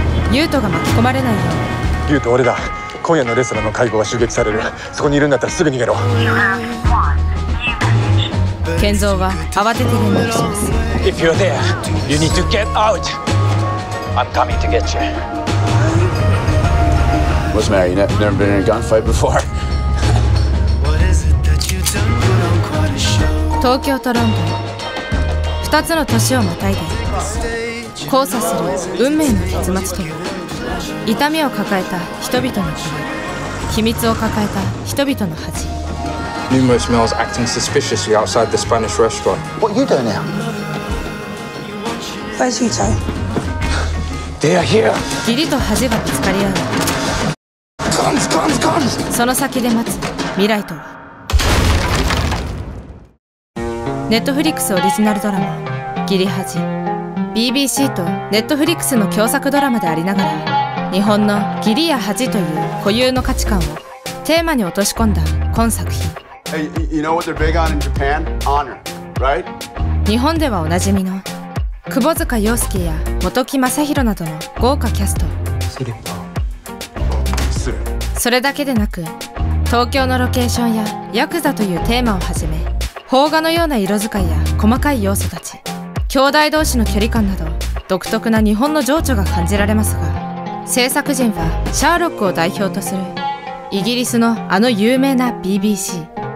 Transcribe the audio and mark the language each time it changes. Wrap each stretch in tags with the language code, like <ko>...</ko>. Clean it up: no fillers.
<ja>ユートが巻き込まれないように。ユート、俺だ。今夜のレストランの会合は襲撃される。そこにいるんだったらすぐ逃げろ。健三は慌てて連絡します。</ja> <en>If you're there, you need to get out. I'm coming to get you. What's the matter? You never been in a gunfight before?</en> <ja>東京とロンドン、二つの都市をまたいで交差する運命の結末という、痛みを抱えた人々の恋、秘密を抱えた人々の恥。</ja> <en>Numerous males acting suspiciously outside the Spanish restaurant. What are you doing here? Where's Yuto? They are here.</en> <ja>義理と恥がぶつかり合う。</ja> <en>Guns, guns, guns.</en> <ja>その先で待つ未来とは。ネットフリックスオリジナルドラマ「ギリハジ」、 BBC とネットフリックスの共作ドラマでありながら、日本の「ギリやハジ」という固有の価値観をテーマに落とし込んだ今作品。</ja> <en>Hey, you know what they're big on in Japan? Honor, right?</en> <ja>日本ではおなじみの窪塚洋介や本木雅弘などの豪華キャスト。スリッパ。それだけでなく、東京のロケーションやヤクザというテーマをはじめ、邦画のような色使いや細かい要素たち、兄弟同士の距離感など独特な日本の情緒が感じられますが、制作陣はシャーロックを代表とするイギリスのあの有名な BBC。</ja>